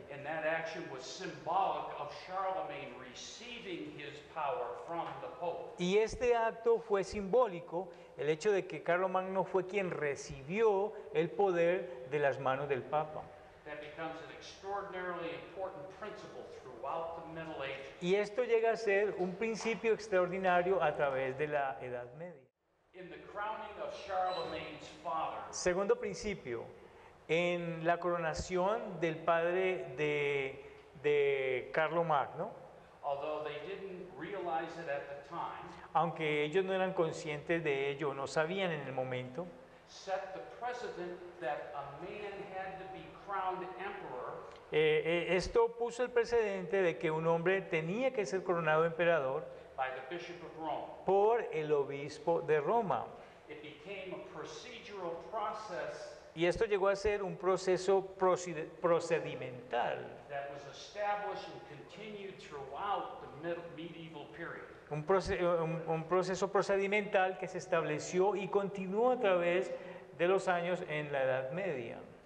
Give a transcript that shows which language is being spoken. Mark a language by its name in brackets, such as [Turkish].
[English] And that action was symbolic of Charlemagne receiving his power from the Pope. [Spanish] Y este acto fue simbólico, el hecho de que Carlos Magno fue quien recibió el poder de las manos del Papa. [English] That becomes an extraordinarily important principle throughout the Middle Ages. [Spanish] Y esto llega a ser un principio extraordinario a través de la Edad Media. [English] In the crowning of Charlemagne's father. [Spanish] Segundo principio, en la coronación del padre de Carlo Magno. [English] Although they didn't realize it at the time. [Spanish] Aunque ellos no eran conscientes de ello, no sabían en el momento. [English] Set the precedent that a man had to be crowned emperor. [Spanish] Esto puso el precedente de que un hombre tenía que ser coronado emperador [English] by the Bishop of Rome. [Spanish] Por el obispo de Roma. [English] It became a procedural process. [Spanish] Y esto llegó a ser un proceso procedimental. [English] That was established and continued throughout the medieval period. [Spanish] Un proceso procedimental que se estableció y continuó a través de los años en la Edad Media.